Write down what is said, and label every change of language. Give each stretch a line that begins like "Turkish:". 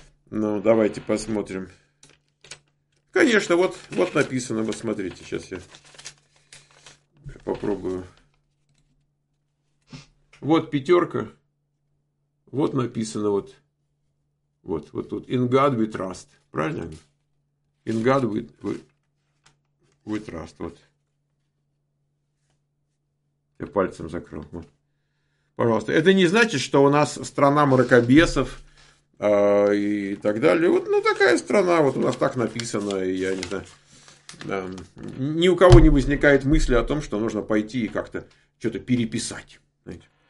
Russian: Ну, давайте посмотрим. Конечно, вот написано, вот смотрите, сейчас я попробую. Вот пятерка, вот написано, вот тут,
English: in God we trust,
Russian: правильно?
English: In God we trust, вот.
Russian: Я пальцем закрыл, вот. Пожалуйста, это не значит, что у нас страна мракобесов и так далее. Вот, ну, такая страна, вот у нас так написано, и я не знаю. Ни у кого не возникает мысли о том, что нужно пойти и как-то что-то переписать, знаете.